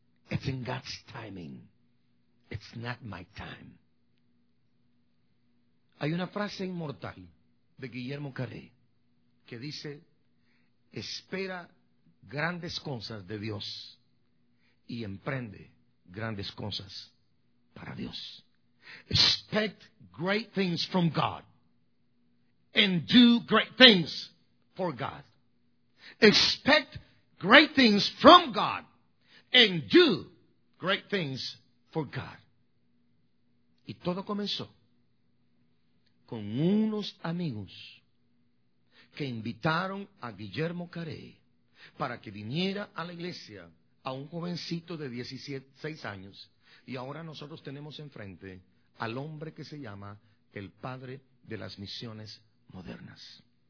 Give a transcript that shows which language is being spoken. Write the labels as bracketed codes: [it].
[en] It's in God's timing. It's not my time. [es] Hay una frase inmortal de Guillermo Carey que dice, espera grandes cosas de Dios y emprende grandes cosas para Dios. [en] Expect great things from God. And do great things for God. Expect great things from God. and do great things for God. [es] Y todo comenzó con unos amigos que invitaron a Guillermo Carey para que viniera a la iglesia a un jovencito de 16 años. Y ahora nosotros tenemos enfrente al hombre que se llama el padre de las misiones modernas.